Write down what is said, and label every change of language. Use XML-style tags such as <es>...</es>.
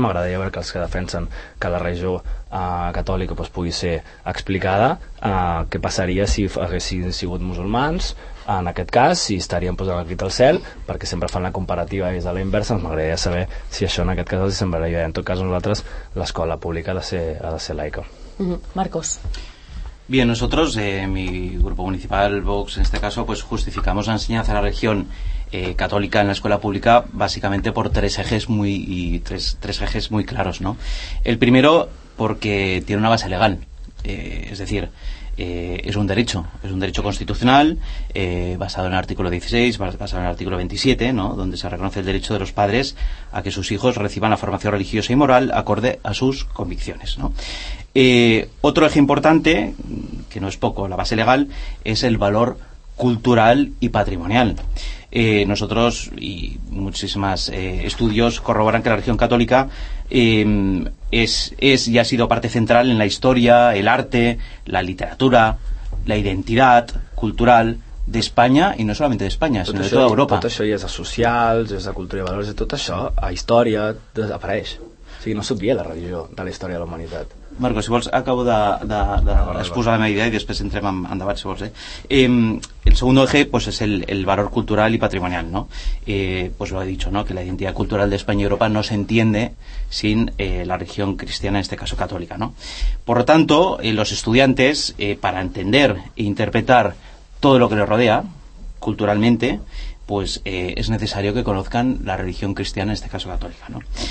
<ca>M'agradaria veure que els que defensen que la religió catòlica, doncs, pugui ser explicada, què passaria si haguessin sigut musulmans en aquest cas, si estarien posant el crit al cel, perquè sempre fan la comparativa des de la inversa. M'agradaria saber si això en aquest cas els semblaria bé. En tot cas, nosaltres, l'escola pública ha de ser laica. Marcos.</ca> <es>Bien, nosotros, mi grupo municipal, Vox, en este caso, pues justificamos la enseñanza de la religión católica en la escuela pública básicamente por tres ejes muy claros, ¿no? El primero, porque tiene una base legal, es decir, es un derecho constitucional basado en el artículo 16, basado en el artículo 27, ¿no? Donde se reconoce el derecho de los padres a que sus hijos reciban la formación religiosa y moral acorde a sus convicciones, ¿no? Otro eje importante, que no es poco, la base legal, es el valor cultural y patrimonial. Nosotros y muchísimos estudios corroboran que la religión católica es y ha sido parte central en la historia, el arte, la literatura, la identidad cultural de España, y no solamente de España, sino de toda Europa.</es> <ca>Tot això ja és a socials, és a cultura i valors, i tot això, a història, desapareix. O sigui, no s'obvia la religió de la història de la humanitat. Marcos, si vols, acabo d'exposar la meva idea i després entrem en debat, si vols.</ca> <es>El segundo eje, pues, es el valor cultural y patrimonial, ¿no? Pues lo he dicho, ¿no? Que la identidad cultural de España y Europa no se entiende sin la religión cristiana, en este caso católica, ¿no? Por lo tanto, los estudiantes, para entender e interpretar todo lo que les rodea culturalmente, pues es necesario que conozcan la religión cristiana, en este caso católica, ¿no?</es>